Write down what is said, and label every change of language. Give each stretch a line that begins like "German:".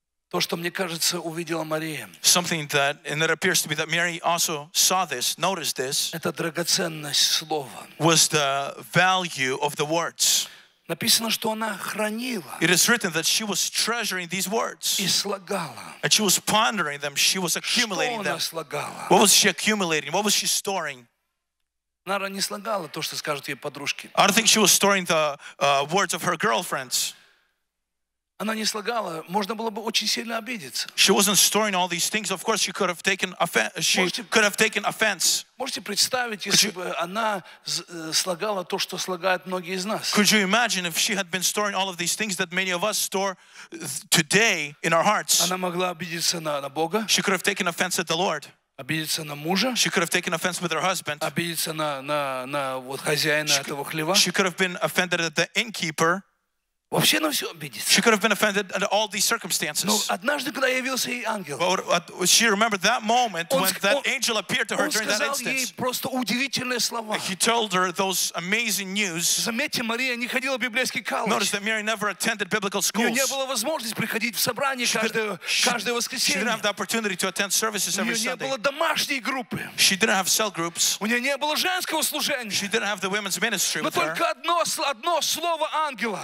Russian: то, что, мне кажется, увидела Мария.
English: Something that, and it appears to be that Mary also saw this, noticed this.
Russian: Это драгоценность слова.
English: Was the value of the words.
Russian: Написано, что она хранила.
English: It is written that she was treasuring these words.
Russian: И слагала.
English: And she was pondering them, she was accumulating them.
Russian: Что она слагала?
English: What was she accumulating? What was she storing?
Russian: Она не слагала то, что скажут ей подружки.
English: I don't think she was storing the words of her girlfriends.
Russian: Она не слагала, можно было бы очень сильно обидеться.
English: She wasn't storing all these things. Of course, she could have taken offense.
Russian: Можете представить, если бы она слагала то, что слагают многие из нас?
English: Could you imagine if she had been storing all of these things that many of us store today in our hearts?
Russian: Она могла обидеться на Бога.
English: She could have taken offense at the Lord.
Russian: обидеться на мужа.
English: She could have taken offense with her husband.
Russian: Обидеться на вот хозяина этого хлева.
English: She could have been offended at the innkeeper.
Russian: Вообще на все обидеться.
English: She could have been offended at all these circumstances.
Russian: Но однажды, когда явился ей ангел,
English: she remembered that moment when that angel appeared to her during that instance.
Russian: Он сказал ей просто удивительные слова.
English: He told her those amazing news.
Russian: Заметьте, Мария не ходила в библейский колледж.
English: Notice that Mary never attended biblical schools.
Russian: У нее не было возможности приходить в собрание каждое воскресенье.
English: She didn't have the opportunity to attend services every Sunday.
Russian: У нее не было домашней группы.
English: She didn't have cell groups.
Russian: У нее не было женского служения.
English: She didn't have the women's ministry.
Russian: Но только одно слово ангела.